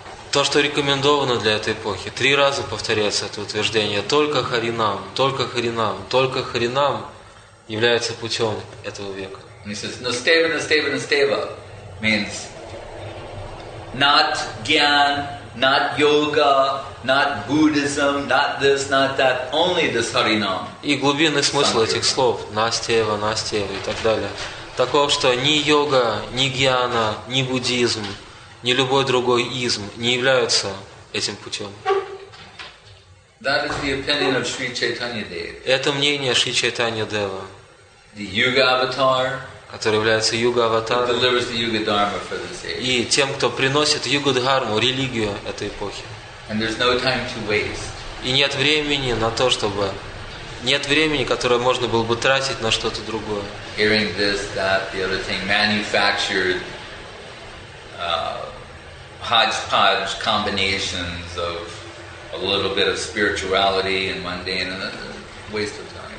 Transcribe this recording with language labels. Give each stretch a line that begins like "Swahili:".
Russian: То, что рекомендовано для этой эпохи. Три раза повторяется это утверждение. Только Харинам, только Харинам, только Харинам является путем этого века.
English: He says, Nasteva, Nasteva, Nasteva means not Gyan, not Yoga, not Buddhism, not this, not that, only this Харинам.
Russian: И глубинный смысл этих слов. Настева, Настева и так далее. Таков, что ни йога, ни гьяна, ни буддизм, ни любой другой изм не являются этим путем.
English: That is the opinion of Sri Chaitanya Deva.
Russian: Это мнение Шри Чайтанья Дева.
English: The Yuga Avatar,
Russian: который является Юга-аватаром,
English: who delivers the Yuga Dharma for this age.
Russian: И тем, кто приносит Юга-дхарму, религию этой эпохи.
English: And there's no time to waste.
Russian: И нет времени на то, чтобы... Нет времени, которое можно было бы тратить на что-то другое.
English: Hearing this, that, the other thing, manufactured hodgepodge combinations of a little bit of spirituality and mundane, and a waste of time.